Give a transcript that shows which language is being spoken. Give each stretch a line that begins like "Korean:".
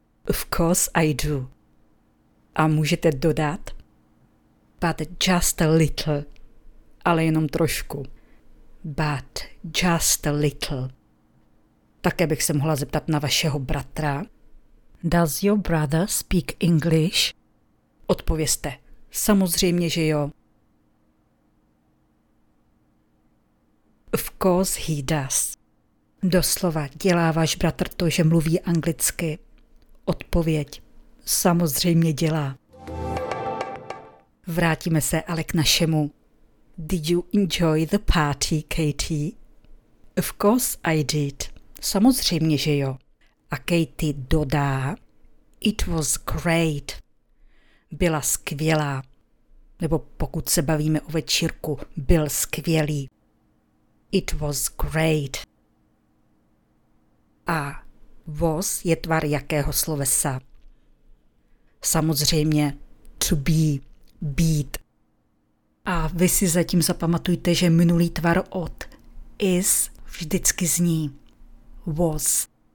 English: Of course I do.
Czech: A můžete dodat?
English: But just a little.
Czech: Ale jenom trošku.
English: But just a little.
Czech: Také bych se mohla zeptat na vašeho bratra.
English: Does your brother speak English?
Czech: Odpovězte. Samozřejmě, že jo.
English: Of course he does.
Czech: Doslova, dělá váš bratr to, že mluví anglicky? Odpověď. Samozřejmě dělá. Vrátíme se ale k našemu.
English: Did you enjoy the party, Katie? Of course I did.
Czech: Samozřejmě, že jo. A Katie dodá,
English: it was great.
Czech: Byla skvělá. Nebo pokud se bavíme o večírku, byl skvělý.
English: It was great.
Czech: A was je tvar jakého slovesa? Samozřejmě to be, být. A vy si zatím zapamatujte, že minulý tvar od is vždycky zní was.